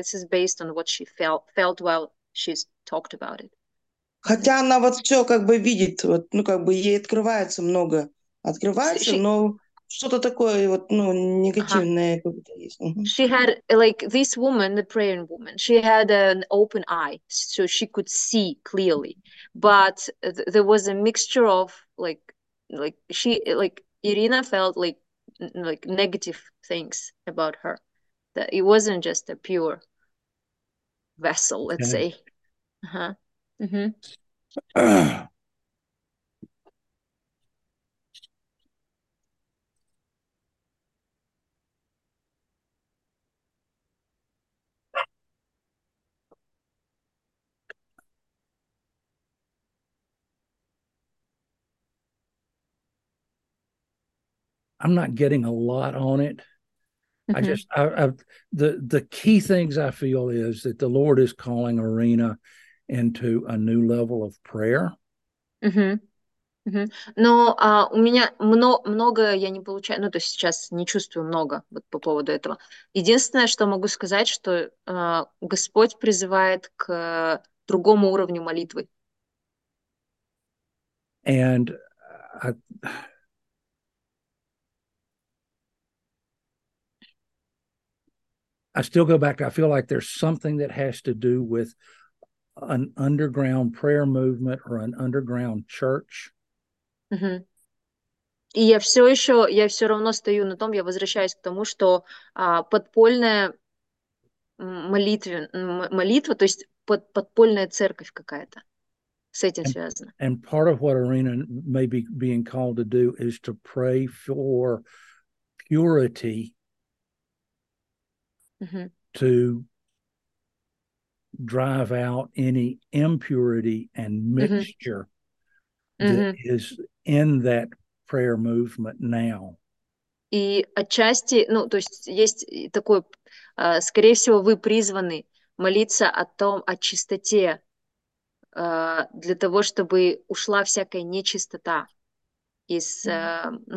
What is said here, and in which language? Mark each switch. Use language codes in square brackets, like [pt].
[en] This is based on what she felt while she's talked about it. [ru] Хотя она вот все как бы видит, вот, ну как бы ей открывается много, открывается, но что-то такое вот, ну негативное какое-то есть. [en] She had like this woman, the praying woman. She had an open eye, so she could see clearly. But there was a mixture of like Ирина felt like negative things about her. That it wasn't just a pure vessel, let's say. Uh-huh. Mm-hmm. I'm not getting a lot on it. Mm-hmm. The key things I feel is that the Lord is calling Arena into a new level of prayer. Mm-hmm. Mm-hmm. [ru] Но у меня много я не получаю, ну то есть сейчас не чувствую много вот по поводу этого. Единственное, что могу сказать, что Господь призывает к другому уровню молитвы. [en] And I still go back. I feel like there's something that has to do with an underground prayer movement or an underground church. Mm-hmm. [ru] И я все еще, я все равно стою на том, я возвращаюсь к тому, что подпольная молитва, то есть подпольная церковь какая-то с этим связана. [en] And part of what Arena may be being called to do is to pray for purity mm-hmm. to drive out any impurity and mixture mm-hmm. that mm-hmm. is in that prayer movement now. [ru] И отчасти, ну, то есть есть такое, скорее всего, вы призваны молиться о том, о чистоте, для того, чтобы ушла всякая нечистота из, mm-hmm.